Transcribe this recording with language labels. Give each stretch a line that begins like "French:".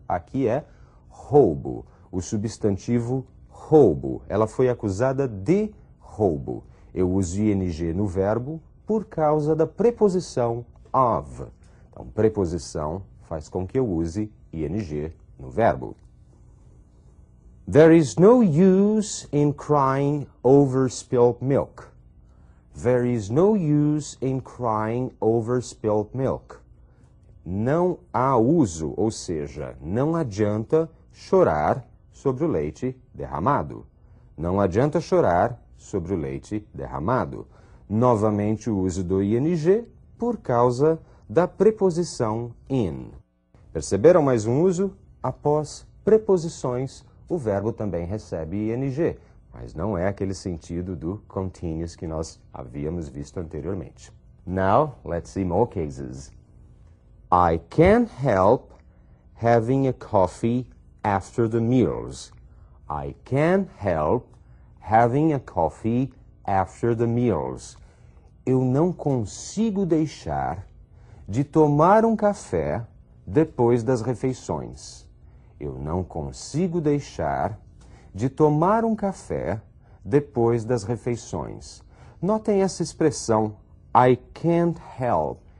Portuguese: Aqui é roubo. O substantivo roubo. Ela foi acusada de roubo. Eu uso ing no verbo por causa da preposição of. Então, preposição faz com que eu use ing no verbo.
English: There is no use in crying over spilled milk. There is no use in crying over spilled milk.
Portuguese: Não há uso, ou seja, não adianta chorar sobre o leite derramado. Não adianta chorar sobre o leite derramado. Novamente o uso do ing por causa da preposição in. Perceberam mais um uso? Após preposições, o verbo também recebe ing, mas não é aquele sentido do continuous que nós havíamos visto anteriormente.
English: Now, let's see more cases. I can't help having a coffee after the meals. I can't help having a coffee after the meals.
Portuguese: Eu não consigo deixar de tomar um café depois das refeições. Eu não consigo deixar de tomar um café depois das refeições. Notem essa expressão,
English: I can't help.